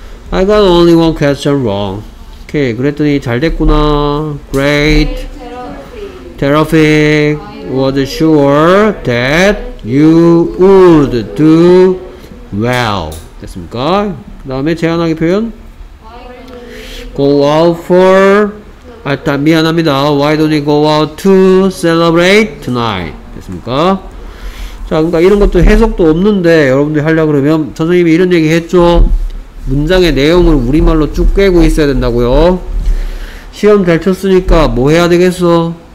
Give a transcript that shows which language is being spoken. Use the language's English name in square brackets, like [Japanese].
[English] I got only one question wrong. [Korean] 오케이. 그랬더니 잘 됐구나. [English] Great. Terrific. Was sure that you would do well. [Korean] 됐습니까? 그 다음에 제안하기 표현. [English] Go out for. [Korean] 아, 미안합니다. [English] Why don't you go out to celebrate tonight? [Korean] 됐습니까? 자, 그러니까 이런 것도 해석도 없는데 여러분들이 하려고 그러면 선생님이 이런 얘기 했죠. 문장의 내용을 우리말로 쭉 꿰고 있어야 된다고요. 시험 잘 쳤으니까 뭐 해야 되겠어?